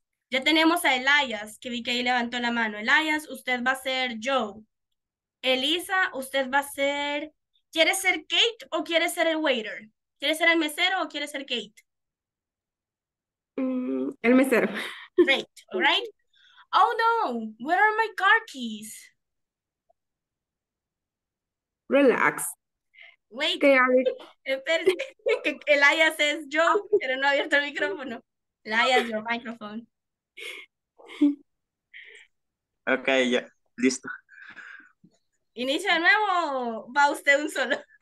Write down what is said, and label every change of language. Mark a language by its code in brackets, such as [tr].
[es] Ya tenemos a Elias, que vi que ahí levantó la mano. Elias, usted va a ser Joe. Elisa, usted va a ser... ¿Quiere ser Kate o quiere ser el waiter? ¿Quiere ser el mesero o quiere ser Kate? El mesero. [en] Great, all right. Oh, no, where are my car keys? Relax. Wait. [es] ¿Qué hay? Espérate, que el IAS es yo, pero no ha abierto el micrófono. [en] El IAS, your microphone. [es] Ok, ya, listo. ¿Inicia de nuevo o va usted un solo?